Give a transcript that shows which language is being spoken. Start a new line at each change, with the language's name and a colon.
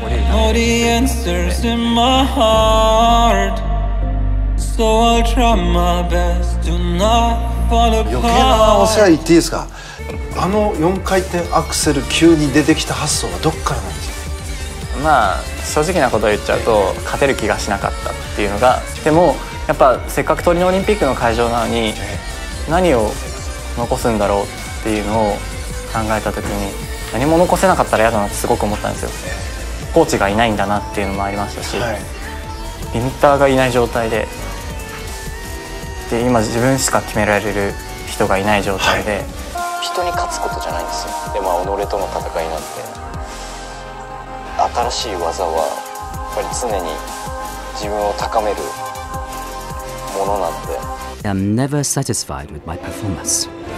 English: Know the answers in my heart. So I'll try my best to not fall apart.
Japanese: 余計なお世話言っていいですか？あの四回転アクセル急に出てきた発想はどっからなんですか？まあ、正直なことを言っちゃうと勝てる気がしなかったっていうのが、でもやっぱせっかくトリノオリンピックの会場なのに何を残すんだろうっていうのを考えた時に、何も残せなかったら嫌だなってすごく思ったんですよ。コーチがいないんだなっていうのもありましたし、リミッターがいない状態 で今自分しか決められる人がいない状態で、はい、人に勝つことじゃないんですよ。でも、まあ、己との戦いなんて、新しい技はやっぱり常に自分を高めるものなので。
English: I'm never satisfied with my performance.